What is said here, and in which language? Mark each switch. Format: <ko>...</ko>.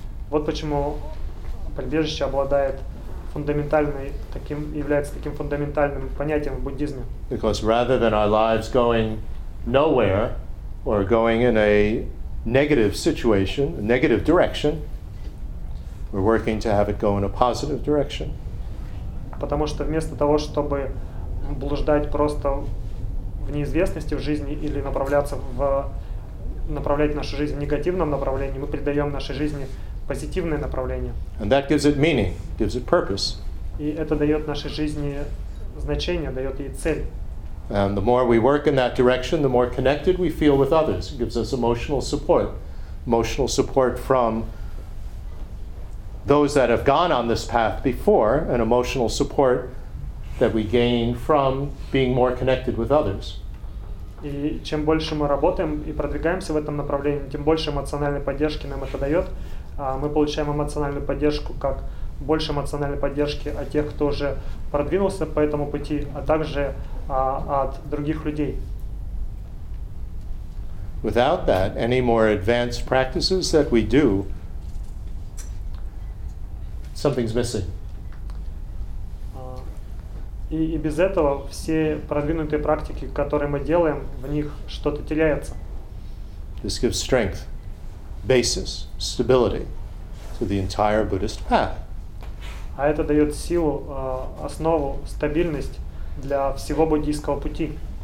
<ru>Вот почему прибежище обладает фундаментальной, таким, является таким фундаментальным понятием в буддизме.</ru> <en>Because rather than our lives going nowhere or going in a negative situation, a negative direction, we're working to have it go in a positive direction.</en> <ru>Потому что вместо того, чтобы блуждать просто в неизвестности в жизни или направляться в направлять нашу жизнь в негативном направлении, мы придаем нашей жизни позитивное направление.</ru> <en>And that gives it meaning, gives it purpose.</en> <ru>И это дает нашей жизни значение, дает ей цель.</ru> <en>And the more we work in that direction, the more connected we feel with others. It gives us emotional support from those that have gone on this path before, and emotional support that we gain from being more connected with others.</en> <ru>И чем больше мы работаем и продвигаемся в этом направлении, тем больше эмоциональной поддержки нам это дает. Мы получаем эмоциональную поддержку как больше эмоциональной поддержки от тех, кто уже продвинулся по этому пути, а также от других людей.</ru> <en>Without that, any more advanced practices that we do, something's missing.</en> <ru>И без этого все продвинутые практики, которые мы делаем, в них что-то теряется.</ru> <en>This gives strength, basis, stability to the entire Buddhist path.</en> <ru>А это дает силу, основу, стабильность для всего буддийского пути.</ru>